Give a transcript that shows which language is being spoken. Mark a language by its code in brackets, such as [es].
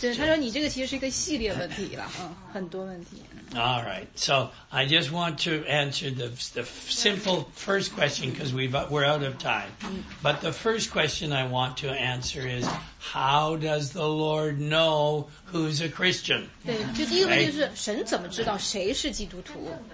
[zh] 对，他说你这个其实是一个系列问题了，嗯，很多问题。 [en] All right. So I just want to answer the simple first question because we're out of time. But the first question I want to answer is, how does the Lord know who's a Christian? [zh] 对，就第一个问题就是神怎么知道谁是基督徒？